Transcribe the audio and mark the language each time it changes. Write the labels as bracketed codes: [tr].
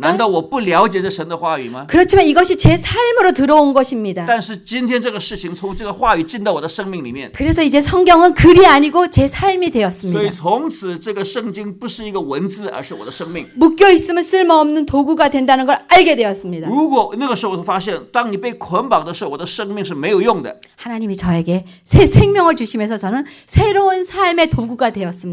[zh] 难道我不了解这神的话语吗？ [ko] 그렇지만이것이제삶으로들어온것입니다。 [zh] 但是今天这个事情从这个话语进到我的生命里面。 [ko] 그래서이제성경은글이아니고제삶이되었습니다。 [zh] 所以从此这个圣经不是一个文字，而是我的生命。 [ko] 묶여있으면쓸모없는도구가된다는걸알게되었습니다。 [zh] 如果那个时候我发现，当你被捆绑的时候，我的生命是没有用的。 [ko] 하나님저에게새생명을주시면서저는새로운삶의도구가되었습니다。